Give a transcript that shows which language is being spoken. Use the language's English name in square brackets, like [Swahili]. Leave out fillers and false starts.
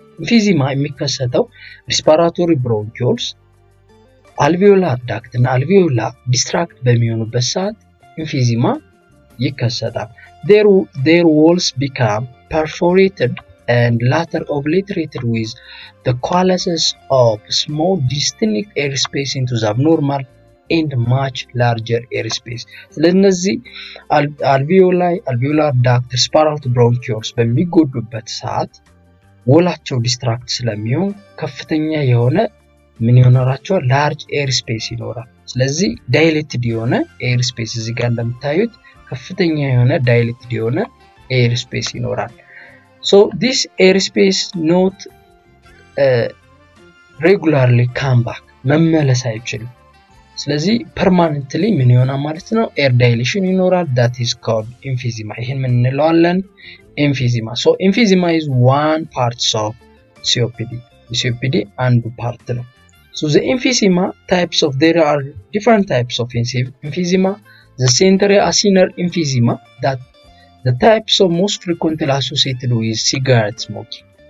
[Amharic] Emphysema የሚከሰተው respiratory bronchioles, alveolar duct and alveoli distract በሚሆኑበት ሰዓት emphysema ይከሰታል. [English] Their walls become perforated and later obliterated with the coalesces of small distinct air space into the abnormal and much larger air space. [Amharic] ስለነዚህ alveoli, alveolar duct, respiratory bronchioles በሚጎዱበት ሰዓት ወላቸው distract ስለሚሆን ከፍተኛ የሆነ ምን ይኖራቸው [English] large air space [Amharic] ይኖራል. ስለዚህ dilated የሆነ air space እዚህ ጋር እንደምታዩት ከፍተኛ የሆነ dilated የሆነ air space ይኖራል. [English] So this air space not regularly come back [Amharic] መመለስ አይችልም ስለዚህ [English] permanently [Amharic] ምን ይሆና ማለት ነው [English] air dilation ይኖራል that is called emphysema [Amharic] ይሄን ምን እንለዋለን [English] emphysema so emphysema is one part of COPD COPD [Amharic] አንዱ part ነው [English] so the emphysema types of there are different types of emphysema the central acinar emphysema that The types of most frequently associated with cigarette smoking.